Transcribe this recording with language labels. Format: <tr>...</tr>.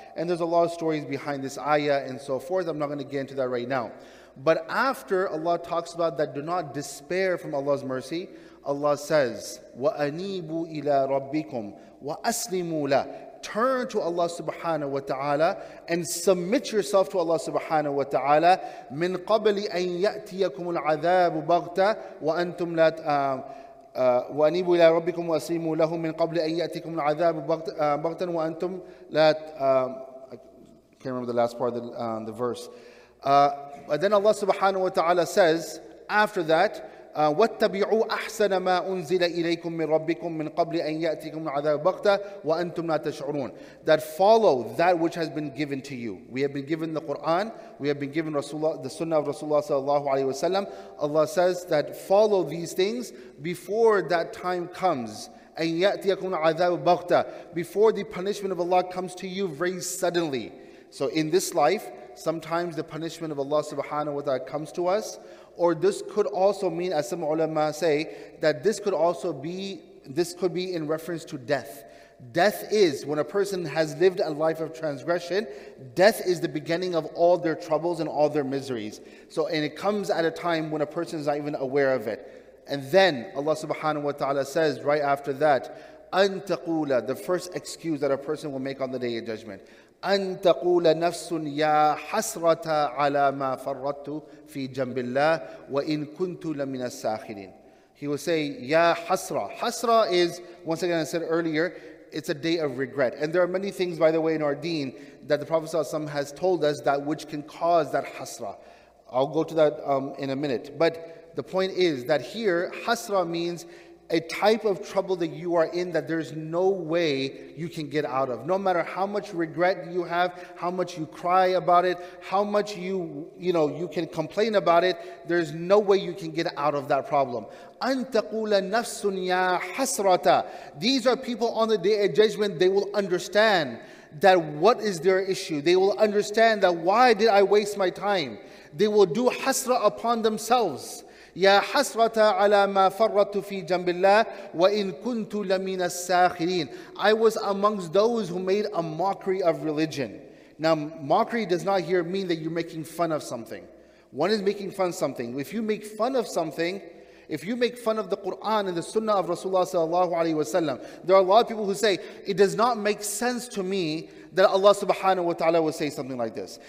<en>And there's a lot of stories behind this ayah and so forth. I'm not going to get into that right now. But after Allah talks about that do not despair from Allah's mercy, Allah says,</en> <ar>وَأَنِيبُوا إِلَىٰ رَبِّكُمْ وَأَسْلِمُوا لَهُ.</ar> <en>Turn to Allah Subhanahu wa Ta'ala and submit yourself to Allah Subhanahu wa Ta'ala.</en> <ar>مِنْ قَبْلِ أَنْ يَأْتِيَكُمُ الْعَذَابُ بَغْتَةً وَأَنْتُمْ لَا وَأَنِيبُوا إِلَىٰ رَبِّكُمْ وَأَسْلِمُوا لَهُ مِنْ قَبْلِ أَنْ يَأْتِيَكُمُ الْعَذَابُ بَغْتَةً وَأَنْتُمْ لَا</ar> <en>I can't remember the last part of the verse. But then Allah Subhanahu wa Ta'ala says after that,</en> <ar>وَاتَّبِعُوا أَحْسَنَ مَا أُنزِلَ إِلَيْكُم مِّن رَّبِّكُم مِّن قَبْلِ أَن يَأْتِيَكُمُ الْعَذَابُ بَغْتَةً وَأَنتُمْ لَا تَشْعُرُونَ.</ar> <en>That follow that which has been given to you. We have been given the Quran, we have been given Rasulullah, the Sunnah of Rasulullah sallallahu alaihi wasallam. Allah says that follow these things before that time comes.</en> <ar>أَن يَأْتِيَكُمُ الْعَذَابُ بَغْتَةً,</ar> <en>before the punishment of Allah comes to you very suddenly. So in this life, sometimes the punishment of Allah Subhanahu wa Ta'ala comes to us. Or this could also mean, as some ulama say, that this could be in reference to death. Death is when a person has lived a life of transgression, death is the beginning of all their troubles and all their miseries. So, and it comes at a time when a person is not even aware of it. And then Allah Subhanahu wa Ta'ala says right after that, antaqula, the first excuse that a person will make on the day of judgment.</en> <ar>أن تقول نفس يا حسرة على ما فرطت في جنب الله وإن كنت لمن الساخرين.</ar> <en>He will say,</en> <ar>يا حسرة.</ar> <en>حسرة is, once again I said earlier, it's a day of regret. And there are many things, by the way, in our deen that the Prophet ﷺ has told us that which can cause that حسرة. I'll go to that in a minute. But the point is that here, حسرة means a type of trouble that you are in that there's no way you can get out of. No matter how much regret you have, how much you cry about it, how much you can complain about it, there's no way you can get out of that problem.</en> <ar>أن تقول نفس يا حسرة.</ar> <en>These are people on the day of judgment, they will understand that what is their issue. They will understand that why did I waste my time. They will do hasra upon themselves.</en> <ar>يا حسرة على ما فرطت في جنب الله وإن كنت لمن الساخرين.</ar> <en>I was amongst those who made a mockery of religion. Now, mockery does not here mean that you're making fun of something. One is making fun of something. If you make fun of something, if you make fun of the Quran and the Sunnah of Rasulullah sallallahu alaihi wasallam, there are a lot of people who say, it does not make sense to me that Allah Subhanahu wa Ta'ala would say something like this.</en>